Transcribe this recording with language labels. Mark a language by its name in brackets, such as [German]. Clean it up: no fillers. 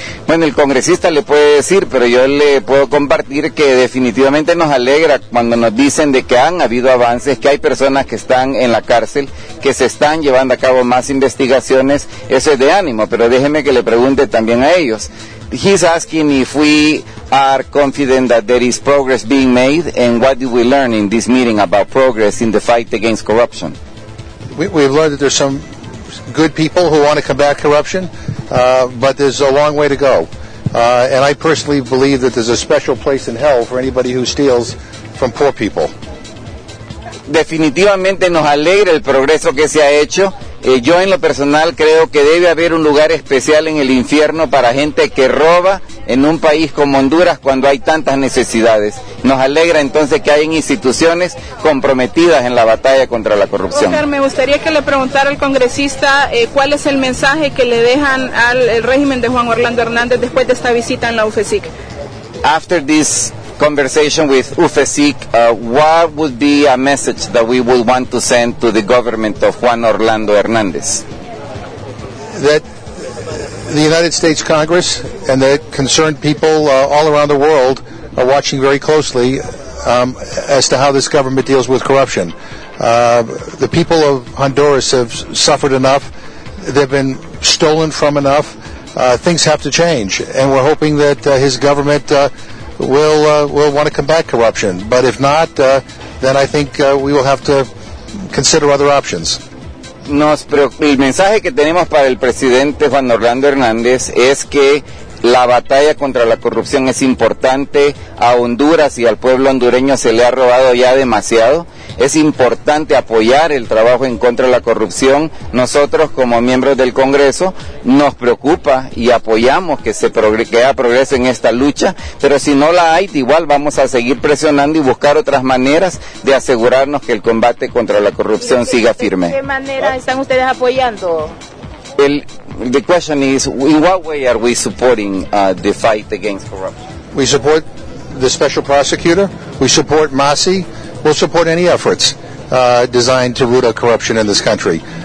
[Spanish] Bueno, el congresista le puede decir, pero yo le puedo compartir que definitivamente nos alegra cuando nos dicen de que han habido avances, que hay personas que están en la cárcel, que se están llevando a cabo más investigaciones. Eso es de ánimo, pero déjeme que le pregunte también a ellos. [English] He's asking if we are confident that there is progress being made, and what did we learn in this meeting about progress in the fight against corruption? We've learned that there's some good people who want to combat corruption, but there's a long way to go. And I personally believe that there's a special place in hell for anybody who steals from poor people. [Spanish] Definitivamente nos alegra el progreso que se ha hecho. Yo en lo personal creo que debe haber un lugar especial en el infierno para gente que roba en un país como Honduras cuando hay tantas necesidades. Nos alegra entonces que hayan instituciones comprometidas en la batalla contra la corrupción. Oscar, me gustaría que le preguntara al congresista cuál es el mensaje que le dejan al régimen de Juan Orlando Hernández después de esta visita en la UFESIC. [English] After this conversation with UFESIC, what would be a message that we would want to send to the government of Juan Orlando Hernández? That the United States Congress and the concerned people all around the world are watching very closely as to how this government deals with corruption. The people of Honduras have suffered enough, they've been stolen from enough, things have to change, and we're hoping that his government will want to combat corruption, but if not, then I think we will have to consider other options. [Spanish] El mensaje que tenemos para el presidente Juan Orlando Hernández es que la batalla contra la corrupción es importante. A Honduras y al pueblo hondureño se le ha robado ya demasiado. Es importante apoyar el trabajo en contra de la corrupción. Nosotros, como miembros del Congreso, nos preocupa y apoyamos que haya progreso en esta lucha, pero si no la hay, igual vamos a seguir presionando y buscar otras maneras de asegurarnos que el combate contra la corrupción siga firme. ¿De qué manera están ustedes apoyando? [English] The question is, in what way are we supporting the fight against corruption? We support the special prosecutor, we support MASI, we'll support any efforts designed to root out corruption in this country.